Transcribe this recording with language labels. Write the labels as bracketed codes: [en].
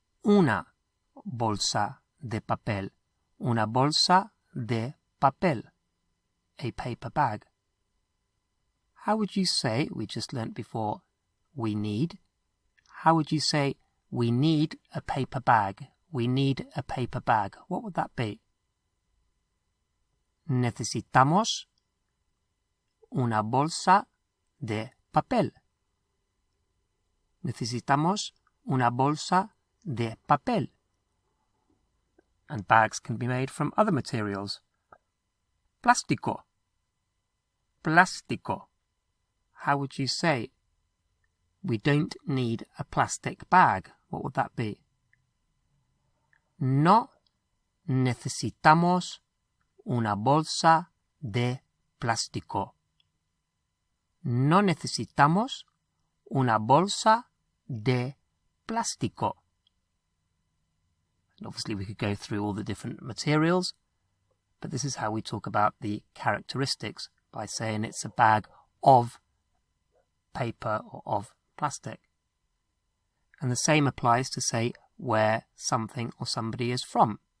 [es] una bolsa de papel. Una bolsa de papel. [en] A paper bag. How would you say, we just learnt before, we need? How would you say, we need a paper bag? We need a paper bag. What would that be? [es] Necesitamos una bolsa de papel. Necesitamos una bolsa de papel. [en] And bags can be made from other materials. Plástico. Plástico. How would you say, we don't need a plastic bag? What would that be? [es] No necesitamos una bolsa de plástico. no necesitamos una bolsa de plástico. [en] And obviously, we could go through all the different materials, but this is how we talk about the characteristics by saying it's a bag of paper or of plastic. And the same applies to say where something or somebody is from.